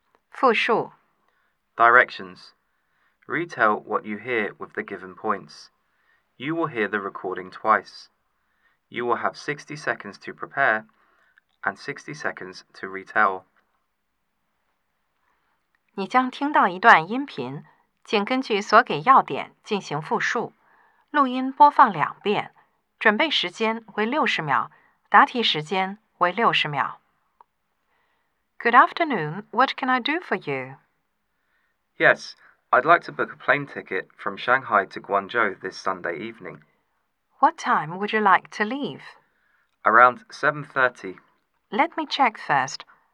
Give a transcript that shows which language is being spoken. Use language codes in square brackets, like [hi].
[zh] 复述. [en] Directions. Retell what you hear with the given points. You will hear the recording twice. You will have 60 seconds to prepare and 60 seconds to retell. [zh] 你将听到一段音频，请根据所给要点进行复述。录音播放两遍，准备时间为60秒，答题时间为60秒。 [en] Good afternoon, what can I do for you? Yes, I'd like to book a plane ticket from Shanghai to Guangzhou this Sunday evening. What time would you like to leave? Around 7:30. Let me check first.